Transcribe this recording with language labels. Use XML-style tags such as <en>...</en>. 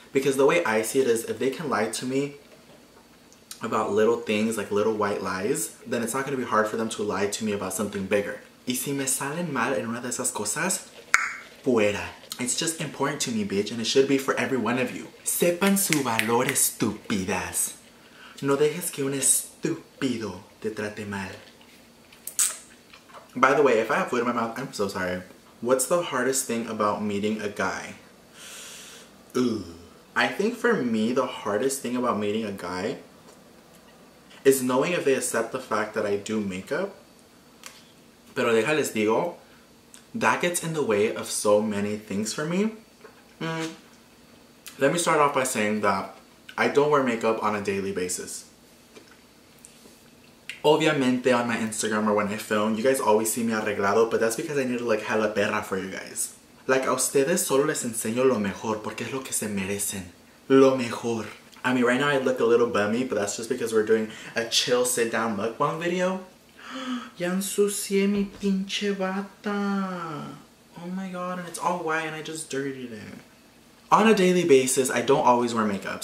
<en>Because the way I see it is, if they can lie to me about little things, like little white lies, then it's not gonna be hard for them to lie to me about something bigger.</en> <es>Y si me salen mal en una de esas cosas, fuera.</es> <en>It's just important to me, bitch, and it should be for every one of you.</en> <es>Sepan su valor, estúpidas. No dejes que un estúpido te trate mal.</es> <en>By the way, if I have food in my mouth, I'm so sorry. What's the hardest thing about meeting a guy? Ooh. I think for me, the hardest thing about meeting a guy is knowing if they accept the fact that I do makeup.</en> <es>Pero deja les digo,</es> <en>that gets in the way of so many things for me. Let me start off by saying that I don't wear makeup on a daily basis. Obviamente on my Instagram or when I film, you guys always see me arreglado, but that's because I need to look hella perra for you guys.</en> <es>Like, a ustedes solo les enseño lo mejor porque es lo que se merecen. Lo mejor.</es> <en>I mean, right now I look a little bummy, but that's just because we're doing a chill sit-down mukbang video.</en> <es>Ya ensucié mi pinche bata.</es> <en>Oh my god, and it's all white and I just dirtied it. On a daily basis, I don't always wear makeup.</en>